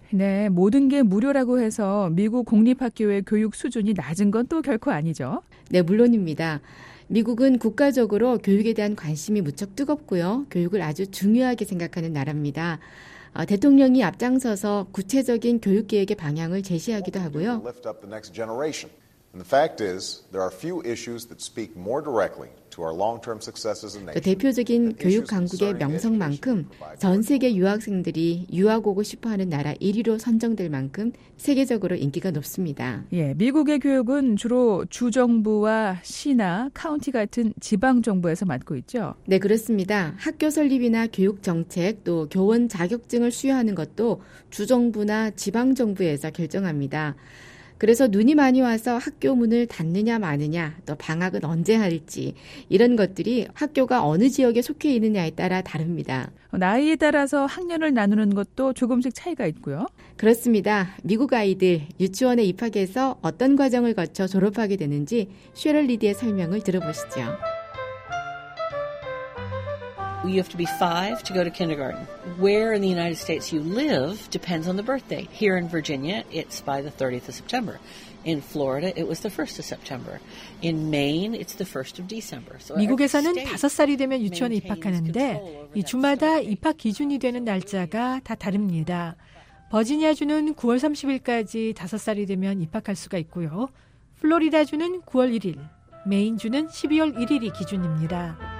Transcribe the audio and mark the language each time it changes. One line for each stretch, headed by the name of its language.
Korean: 네, 모든 게 무료라고 해서 미국 공립학교의 교육 수준이 낮은 건 또 결코 아니죠. 네, 물론입니다. 미국은 국가적으로 교육에 대한 관심이 무척 뜨겁고요. 교육을 아주 중요하게 생각하는 나라입니다. 대통령이 앞장서서 구체적인 교육 계획의 방향을 제시하기도 하고요.
English: And the fact is, there are few issues that speak more directly to our long-term success as a nation.
Korean: 대표적인 교육 강국의 명성만큼 전 세계 유학생들이 유학 오고 싶어하는 나라 1위로 선정될 만큼 세계적으로 인기가 높습니다. 예, 미국의 교육은 주로 주정부와 시나 카운티 같은 지방정부에서 맡고 있죠? 네, 그렇습니다. 학교 설립이나 교육정책 또 교원 자격증을 수여하는 것도 주정부나 지방정부에서 결정합니다. 그래서 눈이 많이 와서 학교 문을 닫느냐 마느냐, 또 방학은 언제 할지 이런 것들이 학교가 어느 지역에 속해 있느냐에 따라 다릅니다. 나이에 따라서 학년을 나누는 것도 조금씩 차이가 있고요. 그렇습니다. 미국 아이들 유치원에 입학해서 어떤 과정을 거쳐 졸업하게 되는지 쉐럴 리디의 설명을 들어보시죠.
English: You have to be five to go to kindergarten. Where in the United States you live depends on the birthday. Here in Virginia, it's by the 30th of September. In Florida, it was the 1st of September. In Maine, it's the 1st of December.
Korean: So 미국에서는 5살이 되면 유치원에 입학하는데 이 주마다 입학 기준이 되는 날짜가 다 다릅니다. 버지니아주는 9월 30일까지 5살이 되면 입학할 수가 있고요. 플로리다주는 9월 1일, 메인주는 12월 1일이 기준입니다.